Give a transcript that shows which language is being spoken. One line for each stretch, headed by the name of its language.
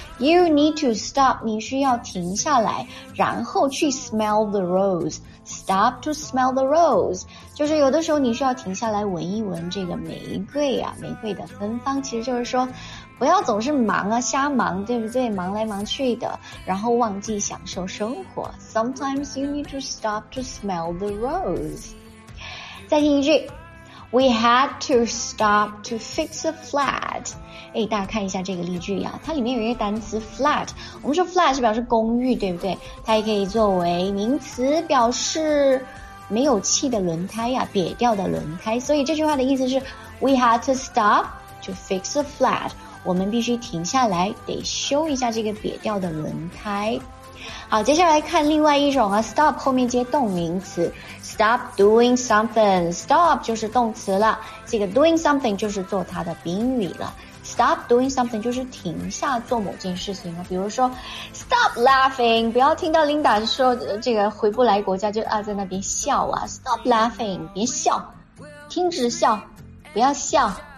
English: You need to stop，
Chinese: 你需要停下来，然后去
English: smell the rose. Stop to smell the rose，
Chinese: 就是有的时候你需要停下来闻一闻这个玫瑰啊，玫瑰的芬芳，其实就是说。不要总是忙啊，瞎忙，对不对？忙来忙去的，然后忘记享受生活。
English: Sometimes you need to stop to smell the rose.
Chinese: 再听一句
English: ，We had to stop to fix a flat.
Chinese: 哎，大家看一下这个例句呀、啊，它里面有一个单词 flat。我们说 flat 是表示公寓，对不对？它也可以作为名词，表示没有气的轮胎呀、啊，瘪掉的轮胎。所以这句话的意思是
English: ，We had to stop to fix a flat.
Chinese: 我们必须停下来，得修一下这个瘪掉的轮胎。好，接下来看另外一种啊 ，stop 后面接动名词 ，
English: stop doing something，
Chinese: stop 就是动词了，这个 doing something 就是做它的宾语了。 stop doing something 就是停下做某件事情了，比如说
English: stop laughing，
Chinese: 不要听到 Linda 说这个回不来国家就啊在那边笑啊 ，stop laughing， 别笑，停止笑，不要笑。